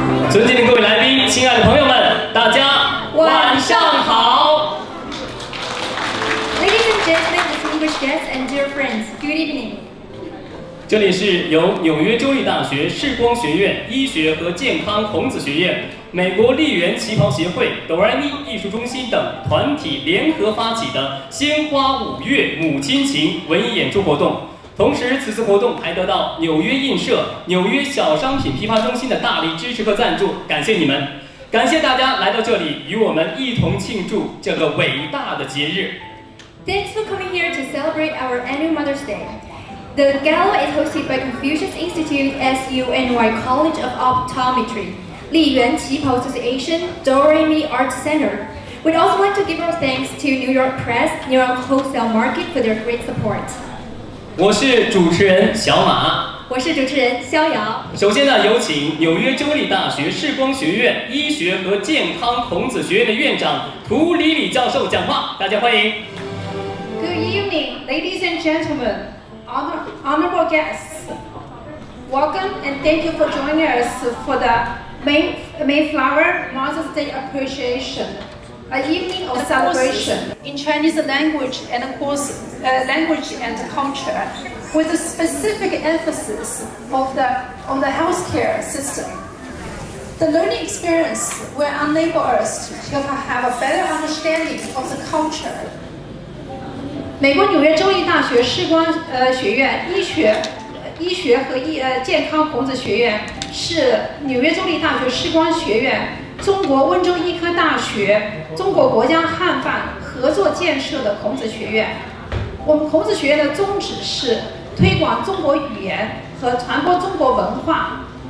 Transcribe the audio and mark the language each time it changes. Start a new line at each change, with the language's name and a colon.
Chinese: 尊敬的各位来宾，亲爱的朋友们，大家晚上好。
English: Ladies and gentlemen, distinguished guests and dear friends, good evening.
Chinese: 这里是由纽约州立大学世光学院医学和健康孔子学院、美国丽园旗袍协会、哆来咪艺术中心等团体联合发起的“鲜花五月母亲情”文艺演出活动。同时，此次活动还得到纽约印社、纽约小商品批发中心的大力支持和赞助，感谢你们，感谢大家来到这里与我们一同庆祝这个伟大的节日。
English: Thanks for coming here to celebrate our annual Mother's Day. The gala is hosted by Confucius Institute, SUNY College of Optometry, 丽园旗袍 Association, Doremi Art Center. We'd also like to give our thanks to New York Press, New York Wholesale Market for their great support.
Chinese: 我是主持人小马，我是主持人逍遥。首先呢，有请纽约州立大学世光学院医学和健康孔子学院的院长涂里里教授讲话，大家欢迎。
English: Good evening, ladies and gentlemen, honorable guests. Welcome and thank you for joining us for the Mayflower Mother's Day Appreciation. An evening of celebration in Chinese language and of course, language and culture, with a specific emphasis on the healthcare system. The learning experience will enable us to have a better understanding of the culture.
Chinese: 美国纽约州立大学世光学院医学和健康孔子学院是纽约州立大学世光学院。中国温州医科大学、中国国家汉范合作建设的孔子学院，我们孔子学院的宗旨是推广中国语言和传播中国文化。